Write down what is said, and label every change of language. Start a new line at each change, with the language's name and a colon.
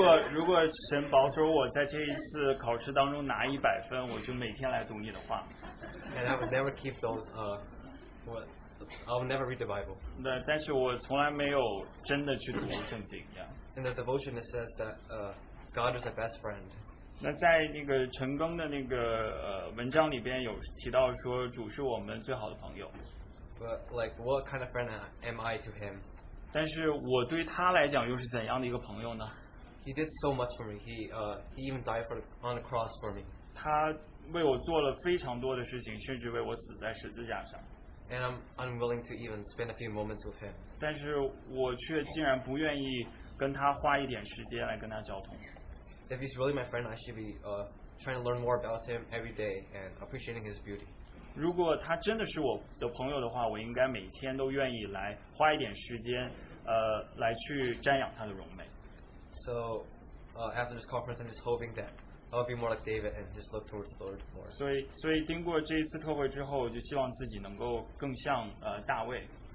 Chinese: 如果神保守我在这一次考试当中拿100分，我就每天来读你的话。
English: And I would never keep those I would never read the Bible.
Chinese: 那但是我从来没有真的去读圣经。
English: And the devotion that says that God is a best friend.
Chinese: 那在那个陈庚的那个文章里边有提到说主是我们最好的朋友。
English: But like what kind of friend am I to him?
Chinese: 但是我对他来讲又是怎样的一个朋友呢？
English: He did so much for me. He even died on the cross for me.
Chinese: 他为我做了非常多的事情，甚至为我死在十字架上。
English: And I'm unwilling to even spend a few moments with him.
Chinese: 但是我却竟然不愿意跟他花一点时间来跟他交通。
English: If he's really my friend, I should be trying to learn more about him every day and appreciating his beauty.
Chinese: 如果他真的是我的朋友的话，我应该每天都愿意来花一点时间，来去瞻仰他的容美。
English: So, after this conference, I'm just hoping that I'll be more like David and just look towards the Lord more.
Chinese: 所以经过这一次特会之后，我就希望自己能够更像大卫。